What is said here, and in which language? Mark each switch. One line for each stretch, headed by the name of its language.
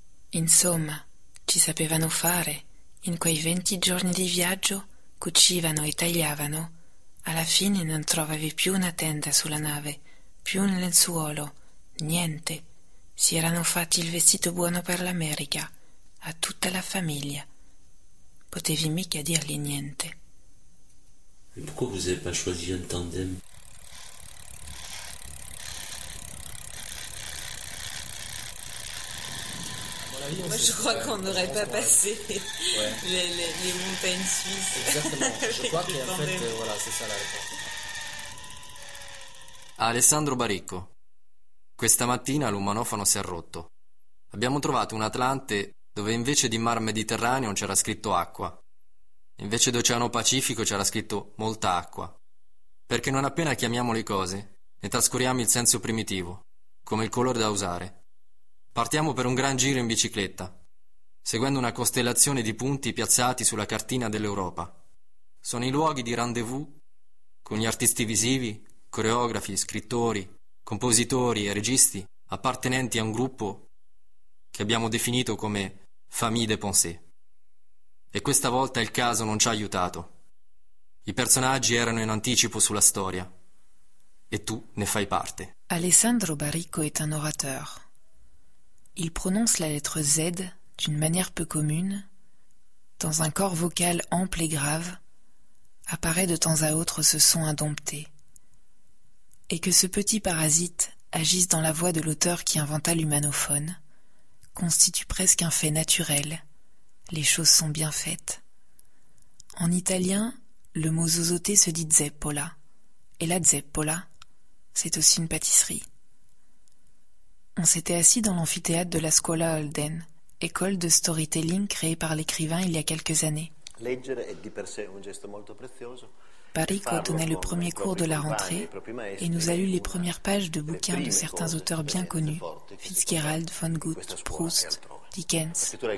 Italian: Insomma, ci sapevano fare, in quei 20 giorni di viaggio, cucivano e tagliavano, alla fine non trovavi più una tenda sulla nave, più un lenzuolo, niente. si erano fatti il vestito buono per l'America, a tutta la famiglia. Potevi mica dirgli niente.
French: Et pourquoi vous avez pas choisi un tandem? Moi, je crois qu'on n'aurait pas passé les montagnes suisses. Exactement. Je crois qu'en fait, voilà, c'est ça la réponse.
Italian: Alessandro Baricco. Questa mattina l'umanofono si è rotto. Abbiamo trovato un atlante dove invece di mar Mediterraneo c'era scritto acqua. Invece d'oceano Pacifico c'era scritto molta acqua. Perché non appena chiamiamo le cose, ne trascuriamo il senso primitivo, come il colore da usare. Partiamo per un gran giro in bicicletta, seguendo una costellazione di punti piazzati sulla cartina dell'Europa. Sono i luoghi di rendezvous con gli artisti visivi, coreografi, scrittori, compositori e registi appartenenti a un gruppo che abbiamo definito come Famille de Pensée. E questa volta il caso non ci ha aiutato. I personaggi erano in anticipo sulla storia e tu ne fai parte.
French: Alessandro Baricco est un orateur. Il prononce la lettre Z d'une manière peu commune, dans un corps vocal ample et grave, apparaît de temps à autre ce son indompté. Et que ce petit parasite agisse dans la voix de l'auteur qui inventa l'humanophone constitue presque un fait naturel. Les choses sont bien faites. En italien, le mot zozoté se dit zeppola, et la zeppola, c'est aussi une pâtisserie. On s'était assis dans l'amphithéâtre de la Scuola Holden, école de storytelling créée par l'écrivain il y a quelques années.
Italian: Leggere è di per sé un gesto molto prezioso.
French: Baricco donnait le premier cours de la rentrée et nous a lu les premières pages de bouquins de certains auteurs bien connus, Fitzgerald, von Goethe, Proust, Dickens.